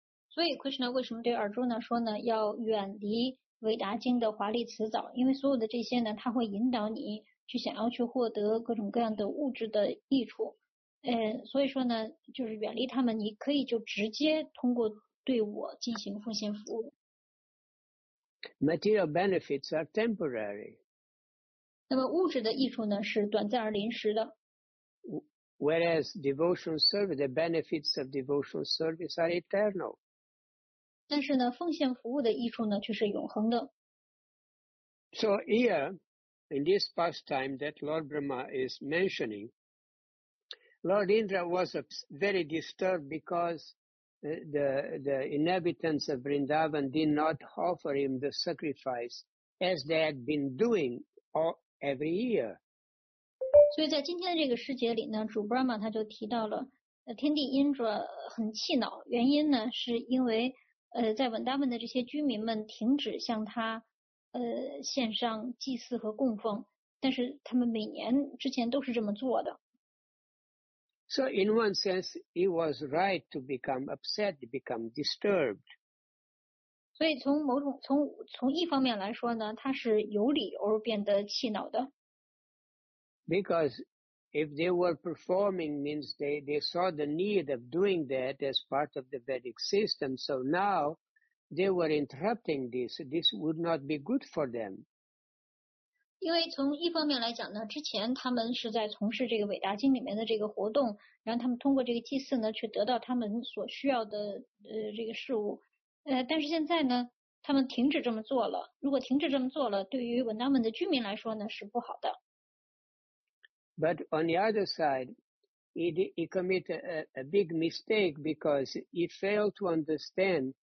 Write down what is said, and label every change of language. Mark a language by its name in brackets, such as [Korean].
[Chinese] 所以 Krishna 为什么对 Arjuna 说呢？要远离维达经的华丽辞藻，因为所有的这些呢，它会引导你去想要去获得各种各样的物质的益处。所以说呢，就是远离他们，你可以就直接通过对我进行奉献服务。 [English] Material benefits are temporary. [Chinese] 那么物质的益处呢，是短暂而临时的。 [English] Whereas devotional service, the benefits of devotional service are eternal. [Chinese] 但是呢，奉献服务的益处呢，却是永恒的。 [English] So here, in this pastime that Lord Brahma is mentioning,Lord Indra was very disturbed because the inhabitants of Vrindavan did not offer him the sacrifice as they had been doing every year. [Chinese] 所以在今天的这个时节里呢，主 Brahma 他就提到了天帝 Indra 很气恼，原因呢是因为在 Vrindavan 的这些居民们停止向他献上祭祀和供奉，但是他们每年之前都是这么做的。 [English] So in one sense, he was right to become upset, to become disturbed. [Chinese] 所以从一方面来说呢，他是有理由变得气恼的。 [English] Because if they were performing, means they saw the need of doing that as part of the Vedic system. So now they were interrupting this. This would not be good for them. [Chinese] 因为从一方面来讲呢，之前他们是在从事这个韦达经里面的这个活动，然后他们通过这个祭祀呢，去得到他们所需要的这个事物。但是现在呢，他们停止这么做了。如果停止这么做了，对于文达门的居民来说呢，是不好的。 [English] But on the other side, he committed a big mistake because he failed to understand